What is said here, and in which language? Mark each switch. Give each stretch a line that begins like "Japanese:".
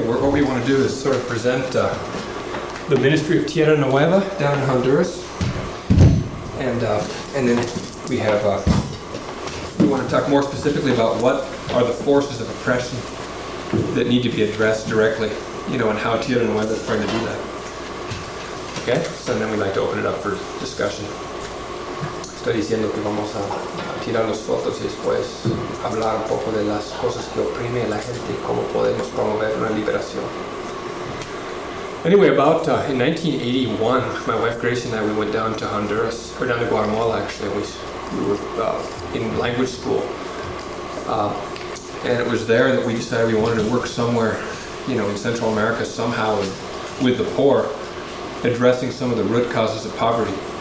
English: And what we want to do is sort of present the ministry of Tierra Nueva down in Honduras. And then we have, we want to talk more specifically about what are the forces of oppression that need to be addressed directly, you know, and how Tierra Nueva is trying to do that. Okay, so then we'd like to open it up for discussion.
Spanish: Estoy diciendo que vamos a tirar las fotos y después hablar un poco de las cosas que oprime a la gente y cómo podemos promover una liberación.
English: Anyway, about in 1981, my wife Gracie and I, we went down to Honduras, or down to Guatemala actually. We were in language school. And it was there that we decided we wanted to work somewhere, you know, in Central America somehow with the poor, addressing some of the root causes of poverty.